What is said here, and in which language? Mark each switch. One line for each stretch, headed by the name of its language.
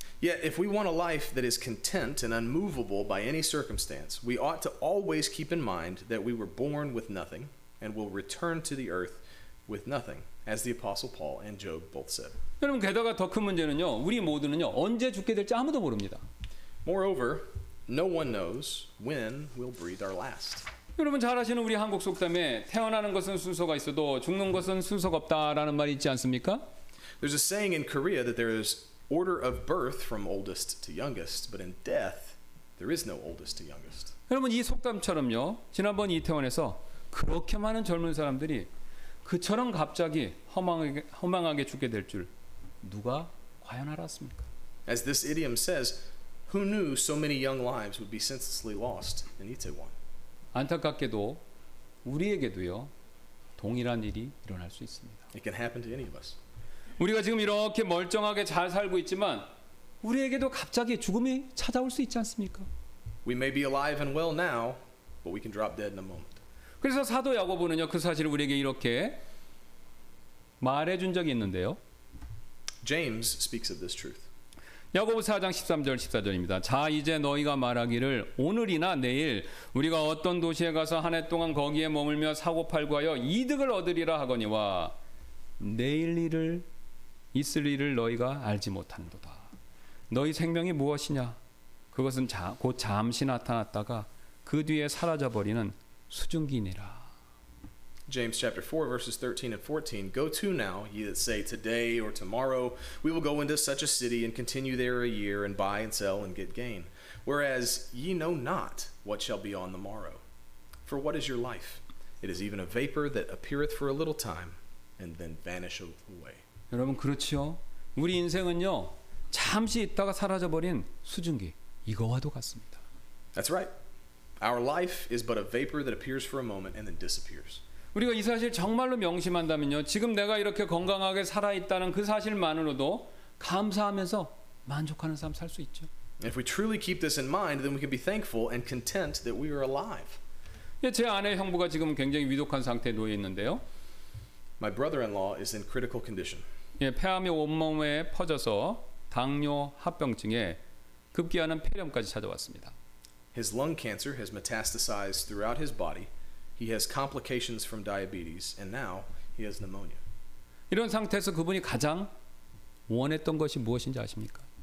English: Yet if we want a life that is content and unmovable by any circumstance, we ought to always keep in mind that we were born with nothing and will return to the earth with nothing, as the apostle Paul and Job both said.
Korean: 그럼 게다가 더 큰 문제는요. 우리 모두는요. 언제 죽게 될지 아무도 모릅니다.
English: Moreover, no one knows when we'll breathe our last.
Korean: 여러분 잘 아시는 우리 한국 속담에 태어나는 것은 순서가 있어도 죽는 것은 순서가 없다라는 말이 있지 않습니까?
English: There's a saying in Korea that there is order of birth from oldest to youngest, but in death there is no oldest to youngest.
Korean: 여러분 이 속담처럼요. 지난번 이태원에서 그렇게 많은 젊은 사람들이 그처럼 갑자기 허망하게 죽게 될 줄 누가 과연 알았습니까?
English: As this idiom says, who knew so many young lives would be senselessly lost in Itaewon?
Korean: 안타깝게도 우리에게도요 동일한 일이 일어날 수 있습니다.
English: It can happen to any of us.
Korean: 우리가 지금 이렇게 멀쩡하게 잘 살고 있지만 우리에게도 갑자기 죽음이 찾아올 수 있지 않습니까?
English: We may be alive and well now, but we can drop dead in a moment.
Korean: 그래서 사도 야고보는요 그 사실을 우리에게 이렇게 말해 준 적이 있는데요.
English: James speaks of this truth.
Korean: 야고보 4장 13절 14절입니다. 자 이제 너희가 말하기를 오늘이나 내일 우리가 어떤 도시에 가서 한 해 동안 거기에 머물며 사고 팔고하여 이득을 얻으리라 하거니와 내일 일을 있을 일을 너희가 알지 못한도다. 너희 생명이 무엇이냐? 그것은 곧 잠시 나타났다가 그 뒤에 사라져 버리는 수증기니라.
English: James chapter 4 verses 13 and 14. Go to now, ye that say, today or tomorrow, we will go into such a city and continue there a year and buy and sell and get gain. Whereas ye know not what shall be on the morrow. For what is your life? It is even a vapor that appeareth for a little time and then vanisheth away.
Korean: 여러분 그렇죠? 우리 인생은요 잠시 있다가 사라져버린 수증기 이거와도 같습니다.
English: That's right. Our life is but a vapor that appears for a moment and then disappears.
Korean: 우리가 이 사실 정말로 명심한다면요, 지금 내가 이렇게 건강하게 살아 있다는 그 사실만으로도 감사하면서 만족하는 삶 살 수 있죠.
English: If we truly keep this in mind, then we can be thankful and content that we are alive.
Korean: 예, 제 아내 형부가 지금 굉장히 위독한 상태에 놓여 있는데요.
English: My brother-in-law is in critical condition.
Korean: 예, 폐암이 온몸에 퍼져서 당뇨 합병증에 급기야는 폐렴까지 찾아왔습니다.
English: His lung cancer has metastasized throughout his body. He has complications from diabetes, and now he has pneumonia.
Korean: 이런 상태에서 그분이 가장 원했던 것이 무엇인지 아십니까?